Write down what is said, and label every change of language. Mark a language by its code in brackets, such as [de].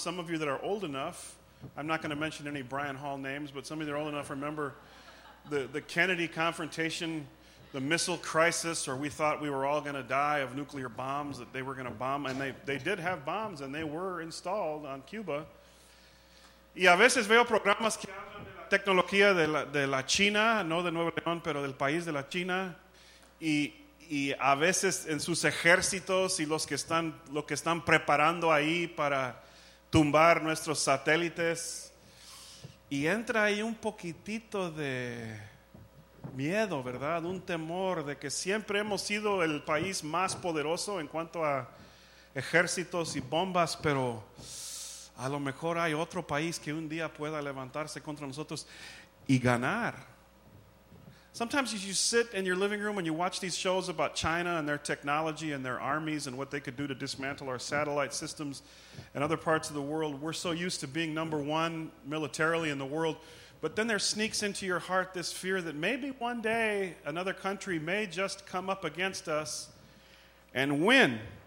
[en] Some of you that are old enough, I'm not going to mention any Brian Hall names, but some of you that are old enough remember the Kennedy confrontation, the missile crisis, or we thought we were all going to die of nuclear bombs, that they were going to bomb, and they did have bombs, and they were installed on Cuba. [es] Y a veces veo programas que hablan de la tecnología de la China, no de Nuevo León, pero del país de la China, y a veces en sus ejércitos y lo que están preparando ahí para tumbar nuestros satélites, y entra ahí un poquitito de miedo, ¿verdad? Un temor de que siempre hemos sido el país más poderoso en cuanto a ejércitos y bombas, pero a lo mejor hay otro país que un día pueda levantarse contra nosotros y ganar. [en] Sometimes you sit in your living room and you watch these shows about China and their technology and their armies and what they could do to dismantle our satellite systems and other parts of the world. We're so used to being number one militarily in the world. But then there sneaks into your heart this fear that maybe one day another country may just come up against us and win.